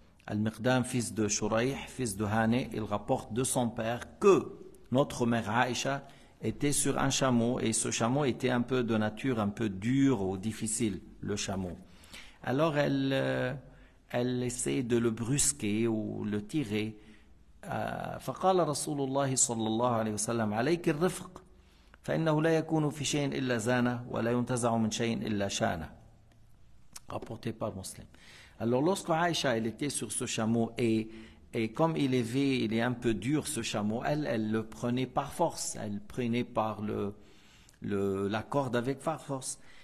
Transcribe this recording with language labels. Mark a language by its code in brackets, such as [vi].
[fr] المقدام fils de شريح fils de هاني il rapporte de son père que notre mère Aïcha était sur un chameau et ce chameau était un peu de nature un peu dur ou difficile, le chameau. Alors elle essaie de le brusquer ou le tirer. [ar] فقال رسول الله صلى الله عليه وسلم عليك الرفق فإنه لا يكون في شيء إلا زانه ولا ينتزع من شيء إلا شانه. [fr] Rapporté par Muslim. Alors lorsque Aïcha elle était sur ce chameau et comme il est un peu dur ce chameau, elle le prenait par force, elle prenait par la corde avec force.